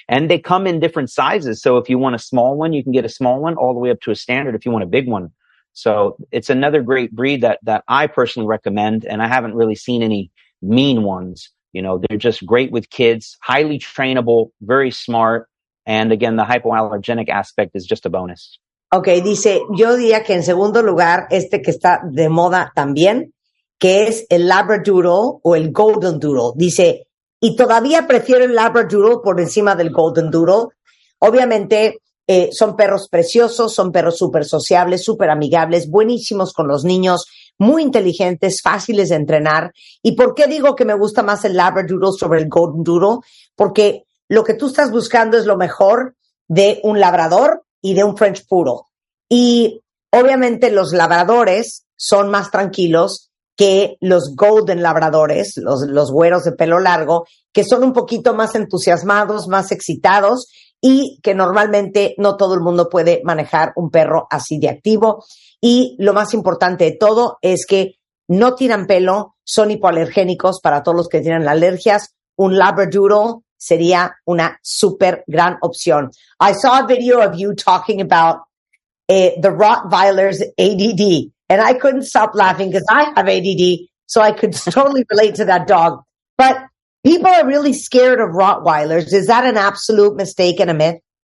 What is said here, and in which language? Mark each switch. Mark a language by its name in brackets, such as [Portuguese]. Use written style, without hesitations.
[English] And they come in different sizes. So if you want a small one, you can get a small one all the way up to a standard if you want a big one. So it's another great breed that I personally recommend. And I haven't really seen any mean ones. You know, they're just great with kids, highly trainable, very smart. And again, the hypoallergenic aspect is just a bonus. [Spanish] Okay, dice, yo diría que en segundo lugar, este que está de moda también, que es el Labradoodle o el Golden Doodle. Dice, y todavía prefiero el Labradoodle por encima del Golden Doodle. Obviamente, son perros preciosos, son perros súper sociables, súper amigables, buenísimos con los niños, muy inteligentes, fáciles de entrenar. ¿Y por qué digo que me gusta más el Labradoodle sobre el Golden Doodle? Porque lo que tú estás buscando es lo mejor de un labrador y de un French Poodle. Y obviamente los labradores son más tranquilos que los Golden Labradores, los güeros de pelo largo, que son un poquito más entusiasmados, más excitados, y que normalmente no todo el mundo puede manejar un perro así de activo. Y lo más importante de todo es que no tiran pelo, son hipoalergénicos para todos los que tienen alergias. Un Labradoodle sería una super gran opción. [English] I saw a video of you talking about the Rottweiler's ADD, and I couldn't stop laughing because I have ADD, so I could totally relate to that dog. But people are really scared of Rottweilers. Is that an absolute mistake and a myth?